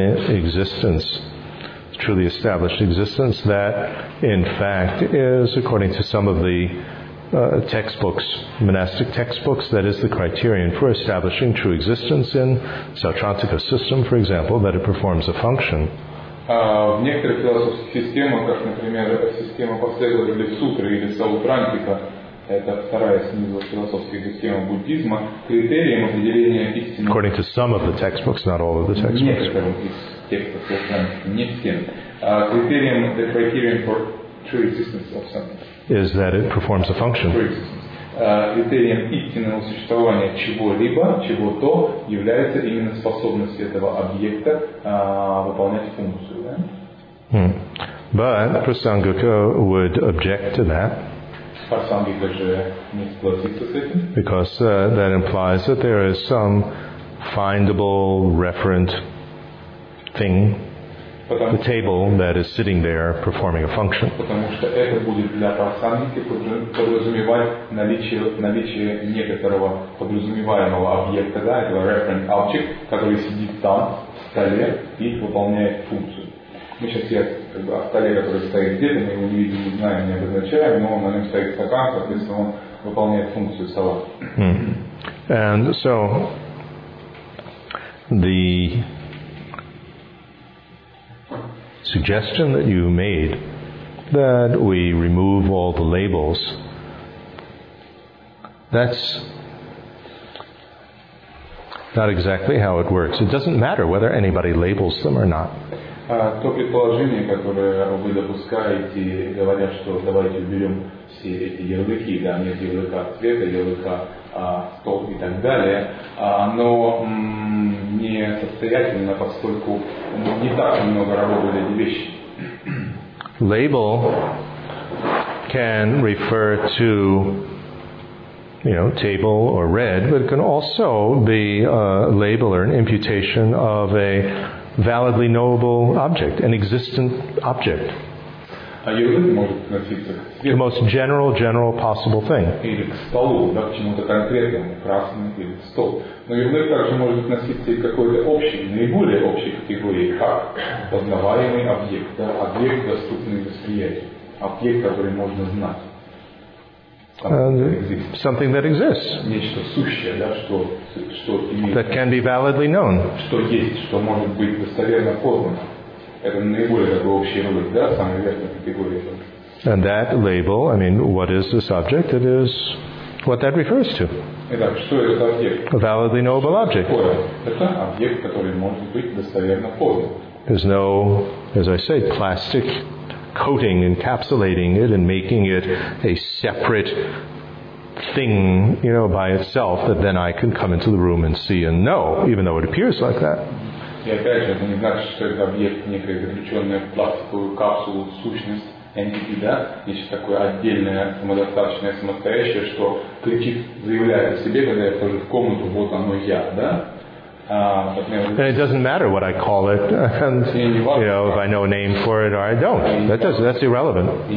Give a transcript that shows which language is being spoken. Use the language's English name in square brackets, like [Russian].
[English] existence, truly established existence, that in fact is, according to some of the textbooks, monastic textbooks, that is the criterion for establishing true existence in Sautrantika's system, for example, that it performs a function. [Russian] В некоторых философских системах, как, например, система последователей сутры или саутрантика, это вторая снизу философская система буддизма, критерием определения истины... [English] According to some of the textbooks, not all of the textbooks. [Russian] Некоторым из текстов саутрантики, не всем. Критерием, [English] the criterion for true existence of something. Is that it performs a function. True existence. [Russian] Критерием истинного существования чего-либо, чего-то, является именно способность этого объекта выполнять функцию. Да? [English] But Prasangika would object to that. [Russian] Prasangika же не согласится с этим. [English] Because that implies that there is some findable referent thing, the table that is sitting there performing a function. [Russian] Потому что это будет для Прасангики подразумевать наличие некоторого подразумеваемого объекта, да, этого [English] reference object, [Russian] который сидит там, в столе, и выполняет функцию. Мы сейчас я как бы о столе, который стоит где-то, мы его не видим, не знаем, не обозначаем, но на нем стоит стакан, соответственно, он выполняет функцию стола. [English] And so the suggestion that you made that we remove all the labels, that's not exactly how it works. It doesn't matter whether anybody labels them or not. [Russian] То предположение, которое вы допускаете, говоря, что давайте уберем все эти ярлыки, да, нет ярлыка цвета, ярлыка стол и так далее, оно не состоятельно, поскольку не так много работают эти вещи. [English] Label can refer to, you know, table or red, but it can also be a label or an imputation of a validly knowable object, an existent object. The most general possible thing. [Russian] Или к столу, да, к чему-то конкретному, красный или стол. Но ярлык также может относиться и к какой-то общей, наиболее общей категории, как познаваемый объект, да, объект, доступный восприятию, объект, который можно знать. [English] Something that exists. [Russian] Нечто сущее, да, что имеет. [English] That can be validly known. [Russian] Что есть, что может быть достоверно познано. Это наиболее такой общий ярлык, да, самый верхний категория. [English] And that label, I mean, what is this object? It is what that refers to. [Russian] Итак, что это за объект? [English] A validly knowable object. [Russian] Это объект, который может быть достоверно познан. [English] There's no, as I say, plastic coating, encapsulating it and making it a separate thing, you know, by itself, that then I can come into the room and see and know, even though it appears like that. [Russian] И опять же, это не значит, что это объект, некая заключенная в пластиковую капсулу, сущность, entity, да, нечто такое отдельное, самодостаточное, самостоящее, что кричит, заявляет о себе, когда я вхожу в комнату, вот оно я, да? [English] And it doesn't matter what I call it, and, you know, if I know a name for it or I don't. That does, that's irrelevant.